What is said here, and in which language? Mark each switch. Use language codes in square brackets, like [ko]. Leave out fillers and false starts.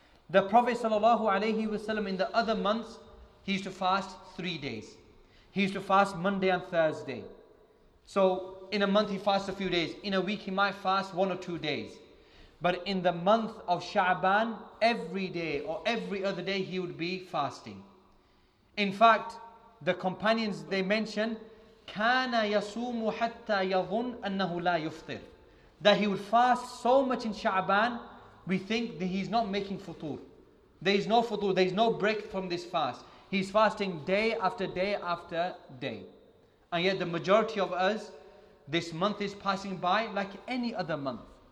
[en] The Prophet sallallahu alayhi wasallam, in the other months, he used to fast 3 days. He used to fast Monday and Thursday. So in a month he fasts a few days. In a week he might fast 1 or 2 days. But in the month of Sha'ban, every day or every other day he would be fasting. In fact, the companions, they mention, [ar] كَانَ يَصُومُ حَتَّى يَظُنْ أَنَّهُ لَا يُفْطِرُ. [en] That he would fast so much in Sha'ban, we think that he's not making futur. There is no futur, there is no break from this fast. He's fasting day after day after day. And yet the majority of us, this month is passing by like any other month.